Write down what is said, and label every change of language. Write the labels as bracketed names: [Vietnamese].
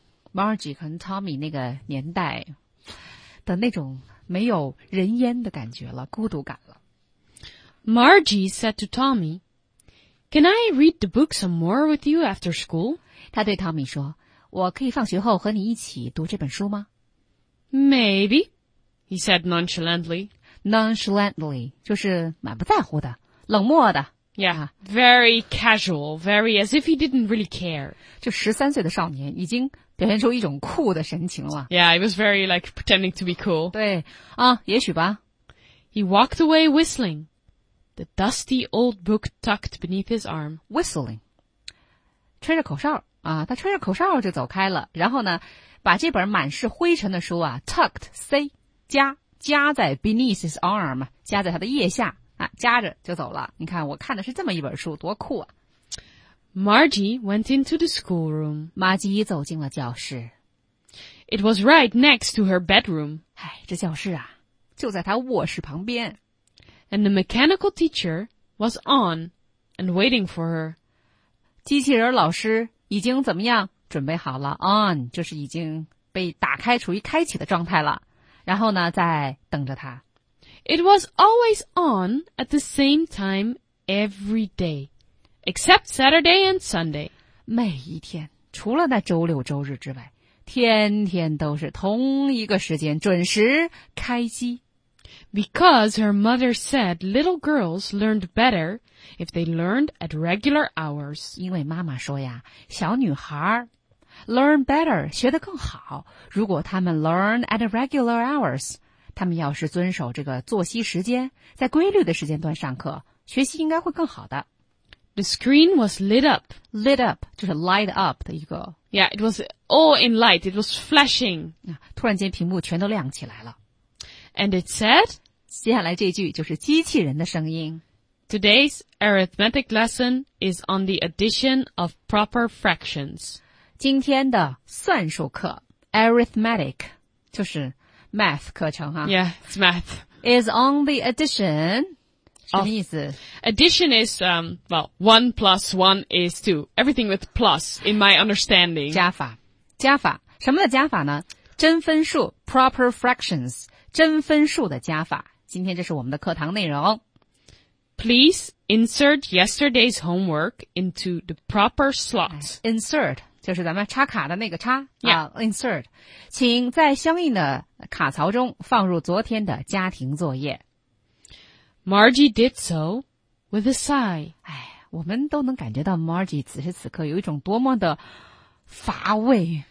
[Chinese] Margie and Tommy 那个年代的那种没有人烟的感觉了，孤独感了。 [English] Margie said to Tommy, Can I read the book some more with you after school? [Chinese] 他对 Tommy 说，我可以放学后和你一起读这本书吗？ [English] Maybe, he said nonchalantly. [Chinese] Nonchalantly, 就是满不在乎的，冷漠的。 [English] Yeah, very casual, very as if he didn't really care. [Chinese] 就13岁的少年已经表现出一种酷的神情了。 [English] Yeah, he was very like pretending to be cool. [Chinese] 对,啊,也许吧。 [English] He walked away whistling, the dusty old book tucked beneath his arm. [Chinese] Whistling, 吹着口哨,啊,他吹着口哨就走开了,然后呢,把这本满是灰尘的书啊 ,tucked, C, 夹在 [English] beneath his arm, [Chinese] 夹在他的腋下。啊，夹着就走了。你看，我看的是这么一本书，多酷啊 [English] ！Margie went into the schoolroom. [Chinese] 玛吉走进了教室。 [English] It was right next to her bedroom. [Chinese] 哎，这教室啊，就在她卧室旁边。 [English] And the mechanical teacher was on and waiting for her. [Chinese] 机器人老师已经怎么样？准备好了 ？On 就是已经被打开，处于开启的状态了。然后呢，在等着她。 [English] It was always on at the same time every day, except Saturday and Sunday. [Chinese] 每一天，除了那周六周日之外，天天都是同一个时间准时开机。 [English] Because her mother said little girls learned better if they learned at regular hours. [Chinese] 因为妈妈说呀，小女孩 [English] learn better, [Chinese] 学得更好，如果她们 [English] learn at regular hours, [Chinese] 他们要是遵守这个作息时间，在规律的时间段上课，学习应该会更好的。 [English] The screen was lit up. [Chinese] Lit up, 就是 light up 的一个。 [English] Yeah, it was all in light. It was flashing. [Chinese] 突然间屏幕全都亮起来了。 [English] And it said, [Chinese] 接下来这句就是机器人的声音。 [English] Today's arithmetic lesson is on the addition of proper fractions. [Chinese] 今天的算术课 ,arithmetic, 就是Math 课程哈 [English] Yeah, it's math. Is on the addition. [Chinese] 什么意思 [English] Addition is, well, 1 plus 1 is 2. Everything with plus, in my understanding. [Chinese] 加法。加法。什么的加法呢真分数 proper fractions. 真分数的加法。今天这是我们的课堂内容。 [English] Please insert yesterday's homework into the proper slot. Insert. [Chinese] 就是咱们插卡的那个插、 [English] yeah. [Chinese] insert 请在相应的卡槽中放入昨天的家庭作业 [English] Margie did so with a sigh [Chinese] 哎，我们都能感觉到 Margie 此时此刻有一种多么的乏味